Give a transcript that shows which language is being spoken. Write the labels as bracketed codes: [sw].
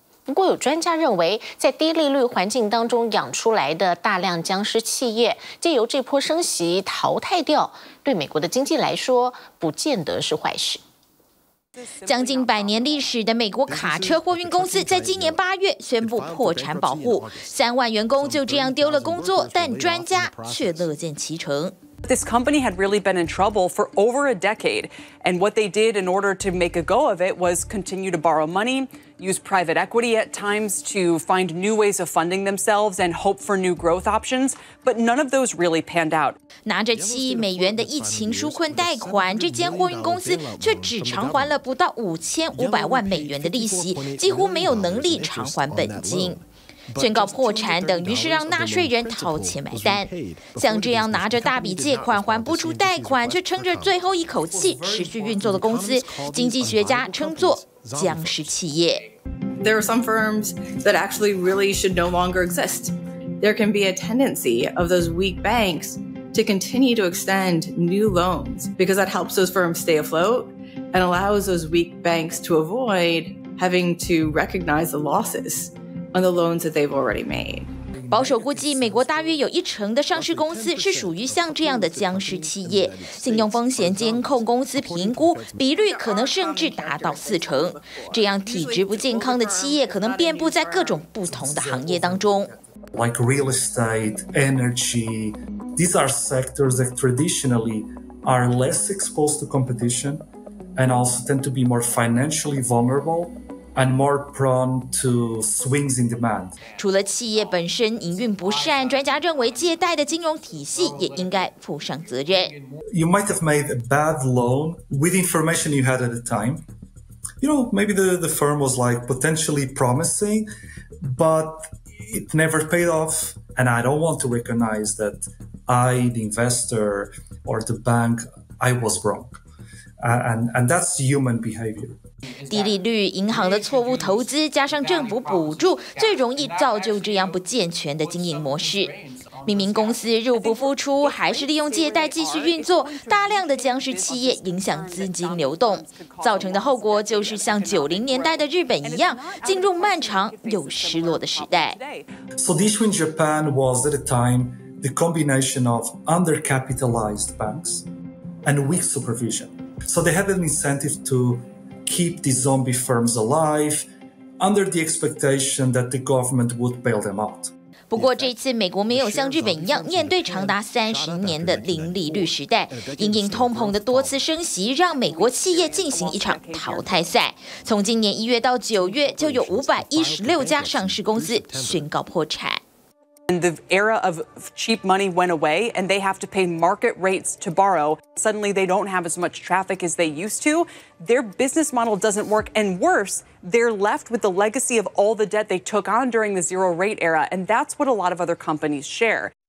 [zh] 不过有专家认为，在低利率环境当中养出来的大量僵尸企业借由这波升息淘汰掉，对美国的经济来说不见得是坏事。将近百年历史的美国卡车货运公司在今年八月宣布破产保护，30,000员工就这样丢了工作，但专家却乐见其成。 [en] This company had really been in trouble for over a decade, and what they did in order to make a go of it was continue to borrow money, use private equity at times to find new ways of funding themselves and hope for new growth options, but none of those really panned out. [zh] 拿着7亿美元的疫情纾困贷款，这间货运公司却只偿还了不到5,500万美元的利息，几乎没有能力偿还本金。宣告破产等于是让纳税人掏钱买单，像这样拿着大笔借款还不出贷款却撑着最后一口气持续运作的公司，经济学家称作僵尸企业。 [en] There are some firms that actually really should no longer exist. There can be a tendency of those weak banks to continue to extend new loans because that helps those firms stay afloat and allows those weak banks to avoid having to recognize the lossesOn the loans that they've already made. [zh] 保守估计，美国大约有一成的上市公司是属于像这样的僵尸企业。信用风险监控公司评估比率可能甚至达到40%。这样体质不健康的企业可能遍布在各种不同的行业当中。 [en] Like real estate, energy, these are sectors that traditionally are less exposed to competition and also tend to be more financially vulnerable. And more prone to swings in demand. [zh] 除了企业本身营运不善，专家认为借贷的金融体系也应该负上责任。 [en] You might have made a bad loan with information you had at the time. You know, maybe the firm was like potentially promising, but it never paid off. And I don't want to recognize that I, the investor, or the bank, I was wrong. And that's human behavior. [zh] 低利率、银行的错误投资，加上政府补助，最容易造就这样不健全的经营模式。明明公司入不敷出，还是利用借贷继续运作，大量的僵尸企业影响资金流动，造成的后果就是像90年代的日本一样，进入漫长又失落的时代。 [en] So the issue in Japan was at the time the combination of undercapitalized banks and weak supervision. So they had an incentive to. Keep these zombie firms alive under the expectation that the government would bail them out. [zh] 不过这次美国没有像日本一样面对长达30年的零利率时代，因应通膨的多次升息，让美国企业进行一场淘汰赛。从今年1月到9月，就有516家上市公司宣告破产。 [en] And the era of cheap money went away, and they have to pay market rates to borrow. Suddenly, they don't have as much traffic as they used to. Their business model doesn't work, and worse, they're left with the legacy of all the debt they took on during the zero rate era, and that's what a lot of other companies share.